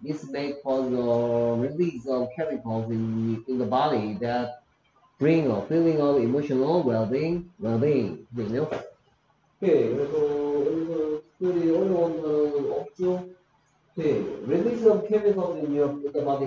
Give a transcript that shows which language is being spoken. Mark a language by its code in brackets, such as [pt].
[en] This may cause a release of chemicals in the body that bring a feeling of emotional well-being. [ko] 네요. 오케이. 그래서 오늘은 특별히 어려운 거는 없죠. [en] Okay. Release of chemicals in your in the body.